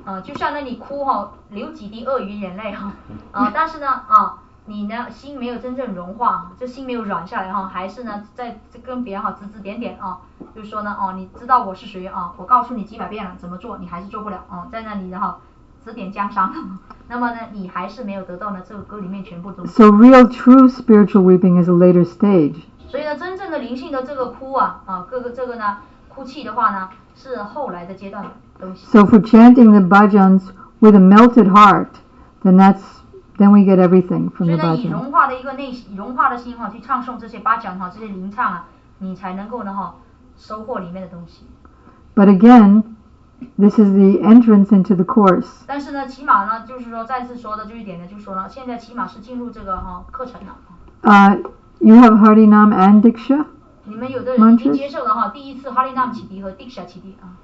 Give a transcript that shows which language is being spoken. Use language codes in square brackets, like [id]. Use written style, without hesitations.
[zh] 就像那你哭流几滴鳄鱼眼泪但是呢你的心没有真正融化这心没有软下来还是呢在跟别人指指点点就是说呢你知道我是谁我告诉你几百遍了怎么做你还是做不了在那里的指点江山那么呢你还是没有得到呢这个歌里面全部都 [en] So real true spiritual weeping is a later stage. [zh] 所以呢真正的灵性的这个哭这个呢哭泣的话呢是后来的阶段的东西 [en] So for chanting the bhajans with a melted heart then we get everything from the bhajan [zh] 所以呢以融化的一个内融化的心去唱诵这些bhajan这些灵唱你才能够呢收获里面的东西 [en] But again this is the entrance into the course [zh] 但是呢起码呢就是说再次说的就一点呢就是说呢现在起码是进入这个课程了 [en] You have Harinam and Diksha? [zh] 你们有的人已经接受了第一次哈利纳姆启迪和迪克夏启迪